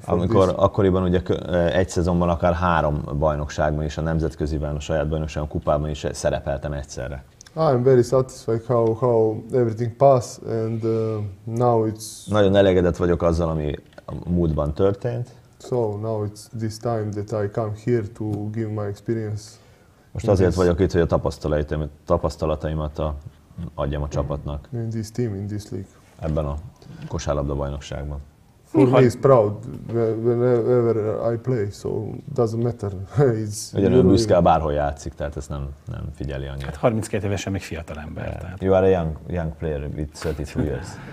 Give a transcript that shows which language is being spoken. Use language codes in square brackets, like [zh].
[hu] amikor akkoriban ugye egy szezonban akár három bajnokságban és a nemzetköziben, a saját bajnokságon, kupában is szerepeltem egyszerre. [en] I'm very satisfied how everything passed and now it's. [hu] Nagyon elégedett vagyok azzal, ami a múltban történt. [en] So now it's this time that I come here to give my experience. [hu] Most azért vagyok itt, hogy a tapasztalataimat adjam a csapatnak. [en] In this team, in this league. [hu] Ebben a kosárlabda bajnokságban. [en] For me, he's proud whenever I play, so doesn't matter. [hu] Ugyanúgy büszke, bárhol játszik, tehát ezt nem figyeli annyira. Hát 32 évesen még fiatal ember. Yeah. Tehát. [en] You are a young player with 32 years.